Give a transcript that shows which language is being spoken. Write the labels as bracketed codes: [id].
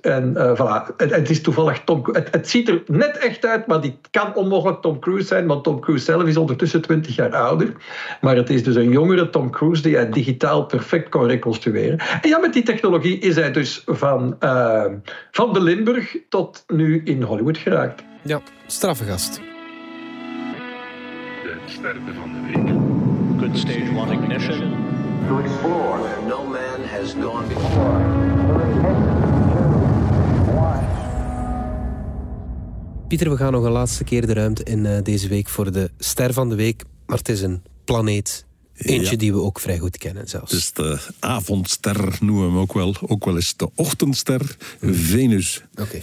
[nl] En voilà, het is toevallig Tom Cruise. Het ziet er net echt uit, maar die kan onmogelijk Tom Cruise zijn, want Tom Cruise zelf is ondertussen 20 jaar ouder. Maar het is dus een jongere Tom Cruise die hij digitaal perfect kon reconstrueren. En ja, met die technologie is hij dus van de Limburg tot nu in Hollywood geraakt. Ja, straffe gast. De sterren van de week. [en] Good stage one ignition. To explore, no man has gone before. [nl] Pieter, we gaan nog een laatste keer de ruimte in deze week voor de ster van de week. Maar het is een planeet... Eentje die we ook vrij goed kennen zelfs. Dus de avondster noemen we hem ook wel. Ook wel eens de ochtendster. Venus. Okay.